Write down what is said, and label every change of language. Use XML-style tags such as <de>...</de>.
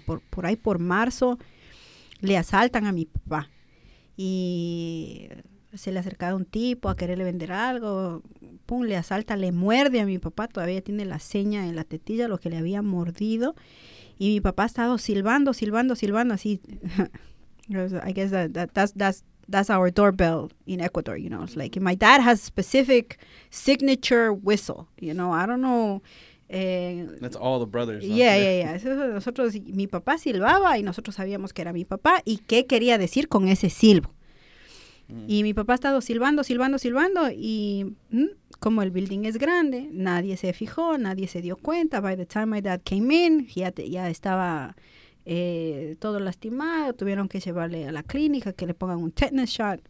<es>Por ahí por marzo le asaltan a mi papá. Y se le acerca un tipo a quererle vender algo, pum, le asalta, le muerde a mi papá, todavía tiene la seña en la tetilla, lo que le había mordido, y mi papá ha estado silbando, así.</es> <en>I guess that's our doorbell in Ecuador, you know, it's like, my dad has specific signature whistle, you know, I don't know. That's all the brothers. Yeah.</en> <es>Nosotros, mi papá silbaba, y nosotros sabíamos que era mi papá, y qué quería decir con ese silbo. Y mi papá ha estado silbando, y como el building es grande, nadie se fijó, nadie se dio cuenta.</es> <en>By the time my dad came in,</en> <es>ya estaba todo lastimado, tuvieron que llevarle a la clínica, que le pongan un tetanus shot.</es>